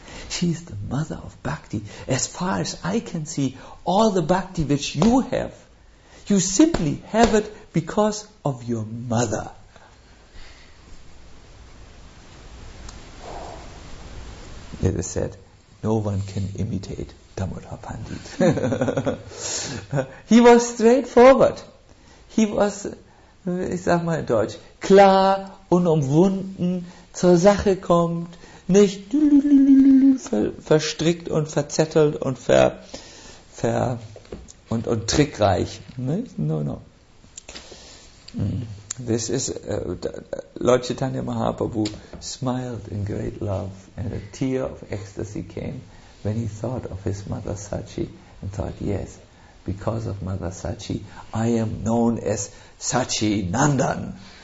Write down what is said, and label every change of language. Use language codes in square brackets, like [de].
[en] She is the mother of bhakti. As far as I can see, all the bhakti which you have, you simply have it because of your mother." It is said, no one can imitate Damodar Pandit. He was straightforward. He was, [de] ich sag mal in Deutsch, klar, unumwunden, zur Sache kommt, nicht verstrickt und verzettelt und und trickreich. [en] No. This is Lord Chaitanya Mahaprabhu smiled in great love, and a tear of ecstasy came when he thought of his mother Sachi and thought, yes, because of mother Sachi, I am known as Sachi Nandan.